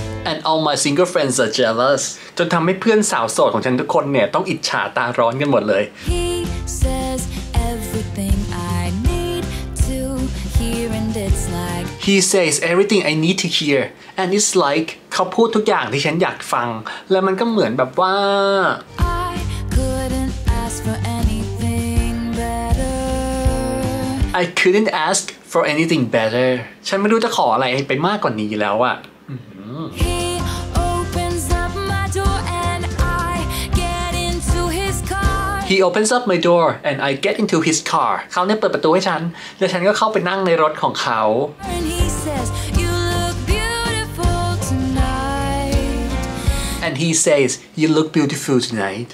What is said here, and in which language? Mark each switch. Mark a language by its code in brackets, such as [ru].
[en] And all my single friends are jealous [th] จนทำให้เพื่อนสาวโสดของฉันทุกคนเนี่ยต้องอิจฉาตาร้อนกันหมดเลย [en] He says everything I need to hear and it's like He says everything I need to hear and it's like [th] เขาพูดทุกอย่างที่ฉันอยากฟังและมันก็เหมือนแบบว่า [en] I couldn't ask for anything better I couldn't ask for anything better [th] ฉันไม่รู้จะขออะไรไปมากกว่านี้แล้วอะ [en] He opens up my door and I get into his car. He opens up my door and I get into his car. [th] เขาเนี่ยเปิดประตูให้ฉันแล้วฉันก็เข้าไปนั่งในรถของเขา [en] And he says you look beautiful tonight. And he says you look beautiful tonight.